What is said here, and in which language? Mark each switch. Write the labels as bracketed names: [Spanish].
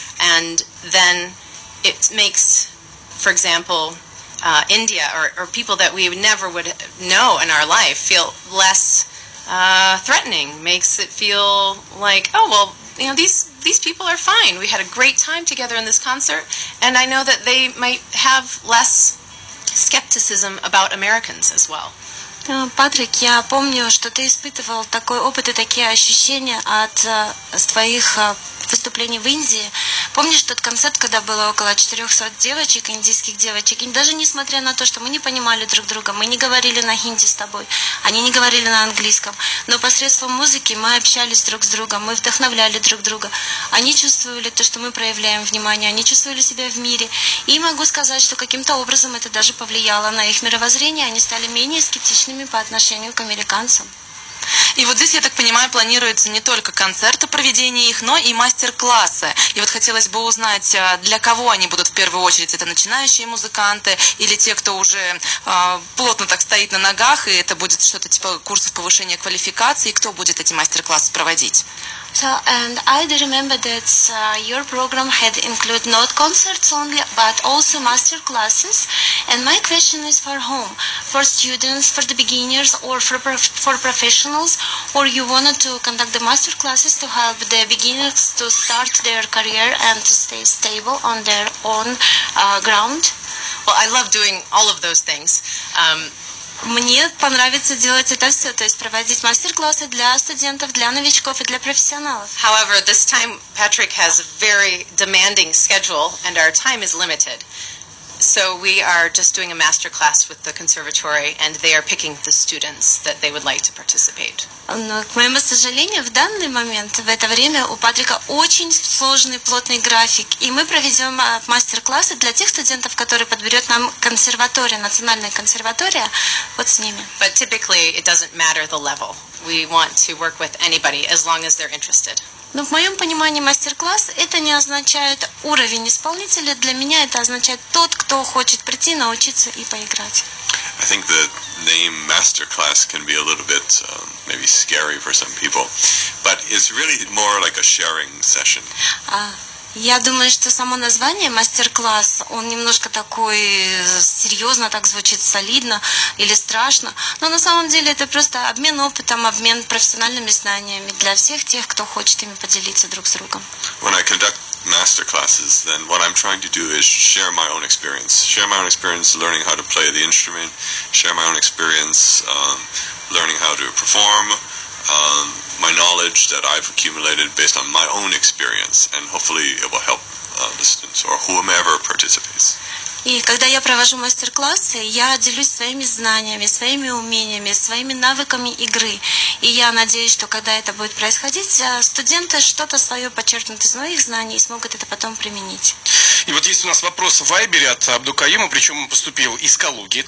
[English] And then it makes, for example, India or people that we never would know in our life feel less threatening. Makes it feel like, oh, well, you know, these people are fine. We had a great time together in this concert, and I know that they might have less skepticism about Americans as well. [Russian] Патрик, я помню, что ты испытывал такой опыт и такие ощущения от твоих выступлений в Индии. Помнишь тот концерт, когда было около 400 девочек, индийских девочек, и даже несмотря на то, что мы не понимали друг друга, мы не говорили на хинди с тобой, они не говорили на английском, но посредством музыки мы общались друг с другом, мы вдохновляли друг друга. Они чувствовали то, что мы проявляем внимание, они чувствовали себя в мире. И могу сказать, что каким-то образом это даже повлияло на их мировоззрение, они стали менее скептичными по отношению к американцам. И вот здесь, я так понимаю, планируется не только концерты, проведение их, но и мастер-классы. И вот хотелось бы узнать, для кого они будут в первую очередь? Это начинающие музыканты или те, кто уже плотно так стоит на ногах, и это будет что-то типа курсов повышения квалификации? Кто будет эти мастер-классы проводить? [English] So, and I do remember that your program had include not concerts only, but also master classes. And my question is for whom? For students, for the beginners, or for professionals? Or you wanted to conduct the master classes to help the beginners to start their career and to stay stable on their own ground? Well, I love doing all of those things. [Russian] Мне понравится делать это все, то есть проводить мастер-классы для студентов, для новичков и для профессионалов. [English] However, this time Patrick has a very demanding schedule, and our time is limited. So we are just doing a master class with the conservatory, and they are picking the students that they would like to participate. [Russian] Но, к моему сожалению, в данный момент, в это время, у Патрика очень сложный, плотный график. И мы проведем мастер-классы для тех студентов, которые подберет нам консерватория, национальная консерватория, вот с ними. [English] But typically it doesn't matter the level. We want to work with anybody as long as they're interested. [Russian] Но в моем понимании мастер-класс это не означает уровень исполнителя. Для меня это означает тот, кто хочет прийти, научиться и поиграть. [English] I think the name masterclass can be a little bit maybe scary for some people, but it's really more like a sharing session. [Russian] Я думаю, что само название мастер-класс, он немножко такой серьезно так звучит, солидно или страшно, но на самом деле это просто обмен опытом, обмен профессиональными знаниями для всех тех, кто хочет ими поделиться друг с другом. [English] When I conduct masterclasses, then what I'm trying to do is share my own experience. Share my own experience learning how to play the instrument, share my own experience learning how to perform, my knowledge that I've accumulated based on my own experience, and hopefully it will help the students or whomever participates. [Russian] И когда я провожу мастер-классы, я делюсь своими знаниями, своими умениями, своими навыками игры. И я надеюсь, что когда это будет происходить, студенты что-то свое подчеркнут из моих знаний и смогут это потом применить. И вот есть у нас вопрос в Вайбере от Абдукаима, причем он поступил из Калуги.